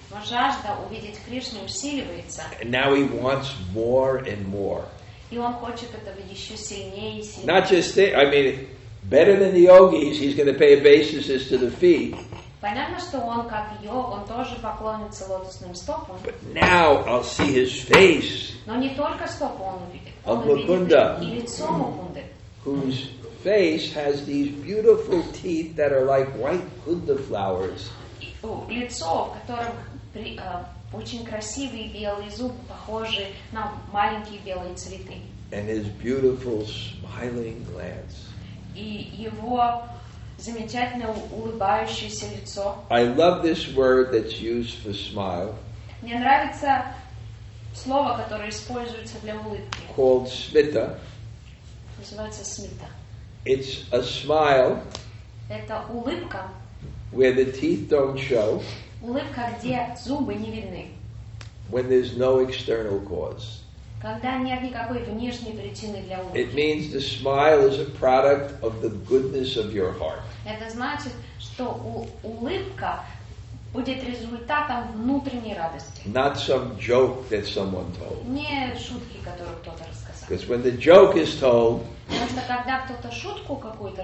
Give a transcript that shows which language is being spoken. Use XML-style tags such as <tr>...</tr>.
<ru>Но жажда увидеть Кришну усиливается.</ru> <en>And now he wants more and more.</en> <ru>И он хочет этого еще сильнее и сильнее.</ru> <en>Not just, I mean, better than the yogis, he's going to pay obeisances to the feet.</en> <ru>Понятно, что он как йог, он тоже поклонится лотосным стопам.</ru> <en>But now I'll see his face.</en> <ru>Но не только стопу он увидит. Он увидит и лицо Мукунды.</ru> <en>Whose face has these beautiful teeth that are like white Kunda flowers.</en> <ru>Лицо, в котором очень красивые белые зубы, похожие на маленькие белые цветы.</ru> <en>And his beautiful smiling glance.</en> <ru>И его замечательное улыбающееся лицо.</ru> <en>I love this word that's used for smile.</en> <ru>Мне нравится слово, которое используется для улыбки.</ru> <en>Called smita.</en> <ru>Называется смита.</ru> <en>It's a smile.</en> <ru>Это улыбка.</ru> <en>Where the teeth don't show.</en> <ru>Улыбка, где зубы не видны.</ru> <en>When there's no external cause.</en> <ru>Когда нет никакой внешней причины для улыбки.</ru> <en>It means the smile is a product of the goodness of your heart.</en> <ru>Это значит, что улыбка будет результатом внутренней радости.</ru> <en>Not some joke that someone told.</en> <ru>Не шутки, которую кто-то рассказал.</ru> <en>Because when the joke is told,</en> <ru>потому что когда кто-то шутку какую-то</ru>